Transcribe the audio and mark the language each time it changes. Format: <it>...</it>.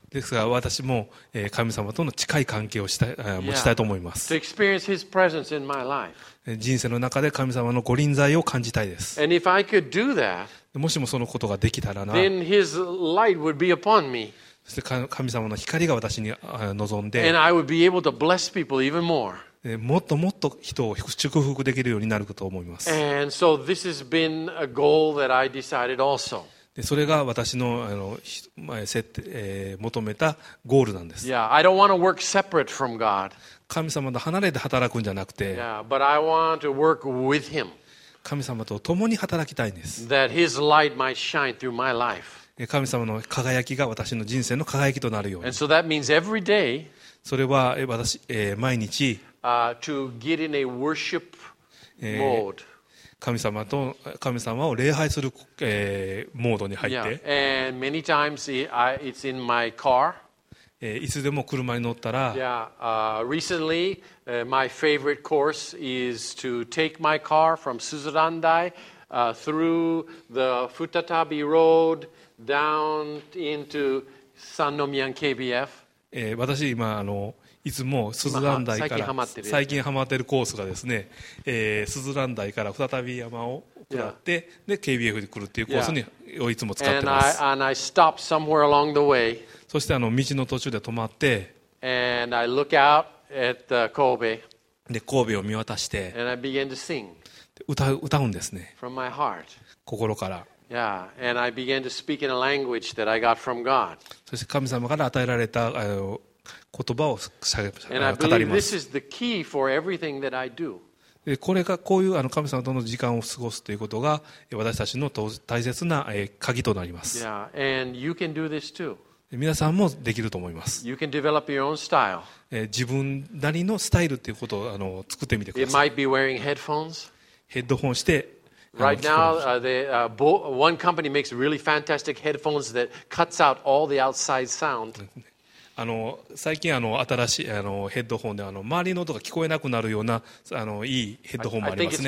<ja>ですが私も神様との近い関係を持ちたいと思います。</ja> <en>To experience His presence in my life.</en> <ja>人生の中で神様のご臨在を感じたいです。</ja> <en>And if I could do that,</en> <ja>もしもそのことができたらな、</ja> <en>then His light would be upon me.</en> <ja>そして神様の光が私に望んで、</ja> <en>and I would be able to bless people even more.</en> <ja>もっともっと人を祝福できるようになると思います。</ja> <en>And so this has been a goal that I decided also.</en> <ja>それが私の求めたゴールなんです。</ja> <en>Yeah, I don't want to work separate from God.</en> <ja>神様と離れて働くんじゃなくて、</ja> <en>yeah, but I want to work with Him.</en> <ja>神様と共に働きたいんです。</ja> <en>That His light might shine through my life.</en> <ja>神様の輝きが私の人生の輝きとなるように。</ja> <en>And so that means every day,</en> <ja>それは私、毎日、</ja> <en>to get in a worship mode.</en> <ja>神様を礼拝する、モードに入って。</ja> <en>Yeah. And many times it's in my car.</en> <ja>いつでも車に乗ったら。</ja> <en>Yeah. Recently, my favorite course is to take my car from Suzurandai, through the Futatabi Road. Down into Sanomiyan KBF.</en> <ja>私今いつも鈴蘭台から最近ハマってるコースがですね、鈴蘭台から再び山を下って、yeah. で KBF に来るっていうコースに、yeah. をいつも使ってます。</ja> <en>And I stop somewhere along the way.</en> <ja>そして道の途中で止まって、</ja> <en>And I look out at the Kobe.</en> <ja>で神戸を見渡して、</ja> <en>And I begin to sing.</en> <ja>歌うんですね。</ja> <en>From my heart.</en> <ja>心から。</ja> <en>Yeah, and I began to speak in a language that I got from God.</en> <ja>そして神様から与えられた言葉を語ります。</ja> <en>And I believe this is the key for everything that I do.</en> <ja>これがこういう神様との時間を過ごすということが私たちの大切な鍵となります。</ja> <en>Yeah, and you can do this too.</en> <ja>皆さんもできると思います。</ja> <en>You can develop your own style.</en> <ja>自分なりのスタイルということを作ってみてください。</ja> <en>It might be wearing headphones.</en> <ja>ヘッドホンして。</ja> <en>Right now, one company makes really fantastic headphones that cuts out all the outside sound.</en> <ja>最近新しいヘッドホンで周りの音が聞こえなくなるようないいヘッドホンもありますね。</ja>